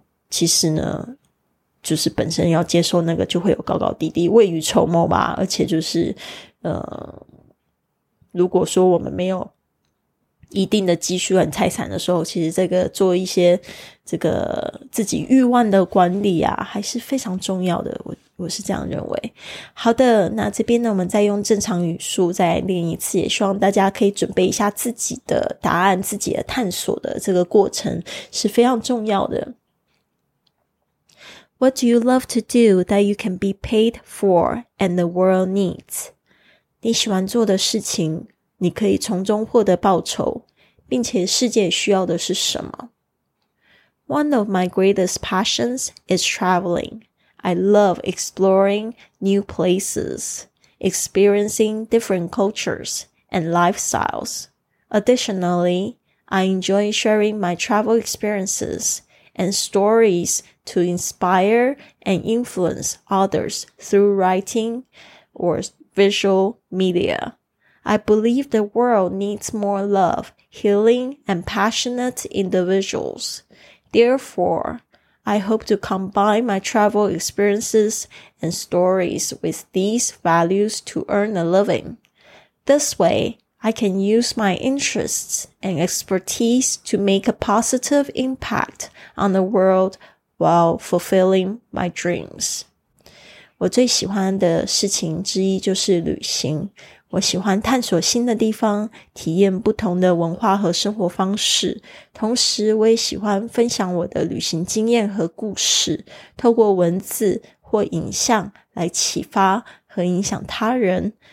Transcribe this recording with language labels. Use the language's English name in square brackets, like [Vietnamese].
[Chinese] 其实呢就是本身要接受那个就会有高高低低，未雨绸缪吧，而且就是如果说我们没有一定的积蓄和财产的时候，其实这个做一些这个自己欲望的管理啊还是非常重要的，我是这样认为。好的，那这边呢我们再用正常语速再练一次，也希望大家可以准备一下自己的答案，自己的探索的这个过程是非常重要的。 [English] What do you love to do that you can be paid for and the world needs? [Chinese] 你喜欢做的事情你可以从中获得报酬，并且世界需要的是什么？ [English] One of my greatest passions is traveling. I love exploring new places, experiencing different cultures and lifestyles. Additionally, I enjoy sharing my travel experiences and stories to inspire and influence others through writing or visual media.I believe the world needs more love healing, and passionate individuals. Therefore, I hope to combine my travel experiences and stories with these values to earn a living. This way, I can use my interests and expertise to make a positive impact on the world while fulfilling my dreams. [Chinese] 我最喜欢的事情之一就是旅行。我喜欢探索新的地方，体验不同的文化和生活方式。同时，我也喜欢分享我的旅行经验和故事，透过文字或影像来启发和影响他人。